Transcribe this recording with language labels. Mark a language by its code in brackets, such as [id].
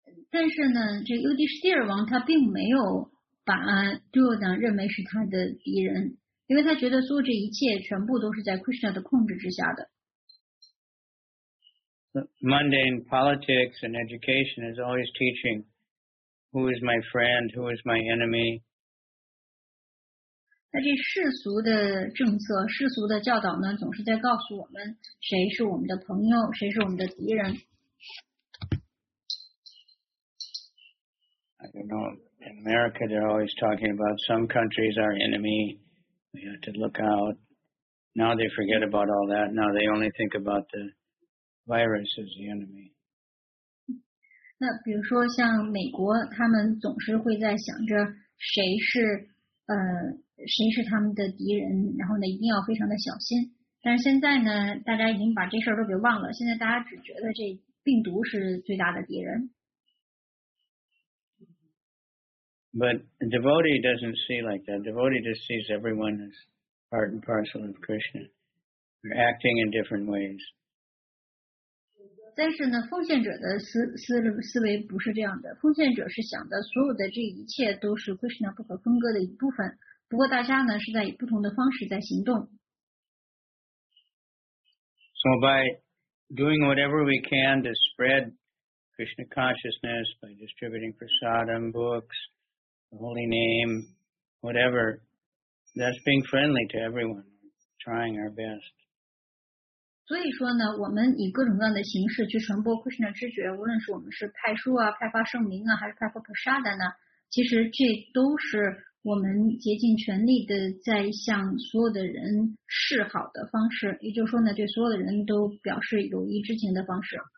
[zh] 但是呢，这 Yudhisthira 王他并没有把 Duryodhana 认为是他的敌人，因为他觉得所有这一切全部都是在 Krishna 的控制之下的。 [en] Mundane politics and education is always teaching who is my friend, who is my enemy. [zh] 那这世俗的政策、世俗的教导呢，总是在告诉我们谁是我们的朋友，谁是我们的敌人。 [en] I don't know. In America, they're always talking about some countries are enemy. We have to look out. Now they forget about all that. Now they only think about the virus as the enemy. [zh] 那比如说像美国，他们总是会在想着谁是他们的敌人，然后呢一定要非常的小心。但是现在呢，大家已经把这事儿都给忘了。现在大家只觉得这病毒是最大的敌人。 [en] But a devotee doesn't see like that. A devotee just sees everyone as part and parcel of Krishna. They're acting in different ways. [zh] 但是呢，奉献者的思维不是这样的。奉献者是想的，所有的这一切都是 Krishna 不可分割的一部分。不过大家呢，是在以不同的方式在行动。 [en] So by doing whatever we can to spread Krishna consciousness by distributing prasadam, books, the holy name, whatever, that's being friendly to everyone, trying our best. [zh] 所以说呢，我们以各种各样的形式去传播 Krishna 知觉，无论是我们是派书啊、派发圣名啊，还是派发 prasadam 呢，其实这都是我们竭尽全力的在向所有的人示好的方式，也就是说呢，对所有的人都表示友谊之情的方式。